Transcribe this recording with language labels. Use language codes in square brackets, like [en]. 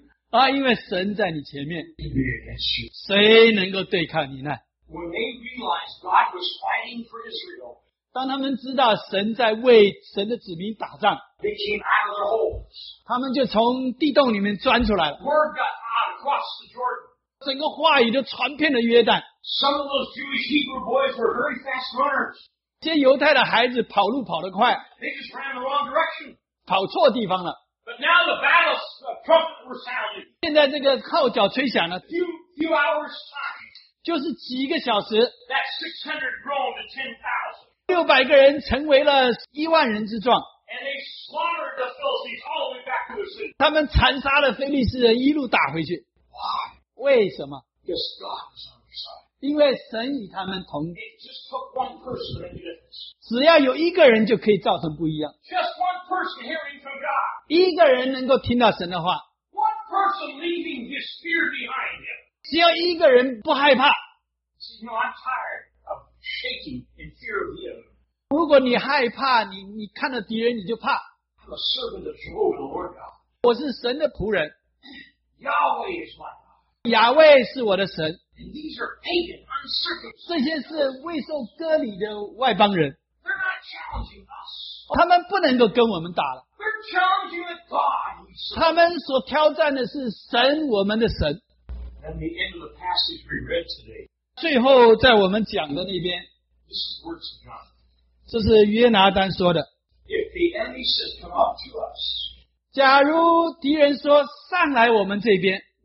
[zh] 啊，因为神在你前面，谁能够对抗你呢？ [en] When they realized God was fighting for Israel, [zh] 当他们知道神在为神的子民打仗， [en] they came out of their holes. [zh] 他们就从地洞里面钻出来了。 [en] Word got out across the Jordan. [zh] 整个话语就传遍了约旦。 [en] Some of those Jewish Hebrew boys were very fast runners. [zh] 这些犹太的孩子跑路跑得快， [en] they just ran the wrong direction. [zh] 跑错地方了。 [en] But now the battles, the trumpets were sounding. [zh] 现在这个号角吹响了， [en] few hours time, [zh] 就是几个小时， [en] that 600 grown to 10,000. [zh] 600个人成为了10,000人之壮。 [en] And they slaughtered the Philistines all the way back to the city. [zh] 他们残杀了腓力斯人一路打回去。 [en] Why? [zh] 为什么？ [en] Because God is on your side. [zh] 因为神与他们同，只要有一个人就可以造成不一样。 [en] Just one person hearing from God. [zh] 一个人能够听到神的话。 [en] One person leaving his fear behind him. [zh] 只要一个人不害怕。 [en] See, no, I'm tired of shaking in fear of him. [zh] 如果你害怕，你看到敌人你就怕。 [en] I'm a servant of Jehovah, the Lord God. [zh] 我是神的仆人。 [en] Yahweh is my God. [zh] 雅各是我的神。 [en] And these are pagan, uncircumcised. [zh] 这些是未受割礼的外邦人。 [en] They're not challenging us. [zh] 他们不能够跟我们打了。 [en] They're challenging with God. [zh] 他们所挑战的是神，我们的神。 [en] And the end of the passage we read today. [zh] 最后在我们讲的那边。 [en] This is words of God. [zh] 这是约拿单说的。 [en] If the enemy says, come up to us. [zh] 假如敌人说上来我们这边。